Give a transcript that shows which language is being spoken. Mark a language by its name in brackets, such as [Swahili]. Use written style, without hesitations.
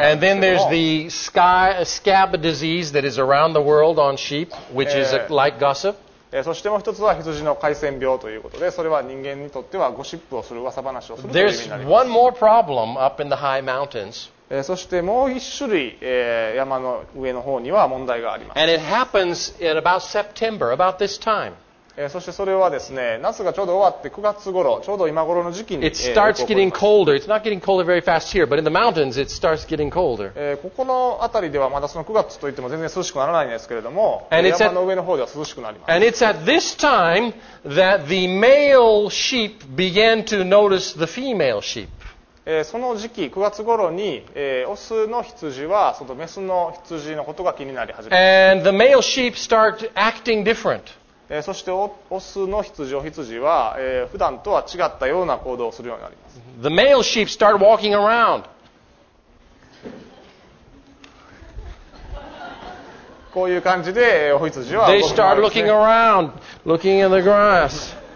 [English] Yeah, and then there's the scab disease that is around the world on sheep, which is like gossip. [Japanese] そしてもう一つは羊の回線病ということで、それは人間にとってはゴシップをする噂話をするという意味になります。 [English] There's one more problem up in the high mountains. [Japanese] そしてもう一種類、山の上の方には問題があります。 [English] And it happens in about September, about this time. [Japanese] そしてそれはですね、夏がちょうど終わって9月頃、ちょうど今頃の時期に、 [English] It starts getting colder. It's not getting colder very fast here, but in the mountains, it starts getting colder. [Japanese] ここの辺りではまだその9月といっても全然涼しくならないんですけれども、山の上の方では涼しくなります。 [English] And it's at this time that the male sheep began to notice the female sheep. [Japanese] その時期、9月頃に、オスの羊はそのメスの羊のことが気になり始めます。 [English] And the male sheep start acting different. [Japanese] そしてオスの羊、オヒツジは、普段とは違ったような行動をするようになります。 [English] The male sheep start walking around. [Japanese] こういう感じで、オヒツジは、 [English] They start looking around, looking in the grass.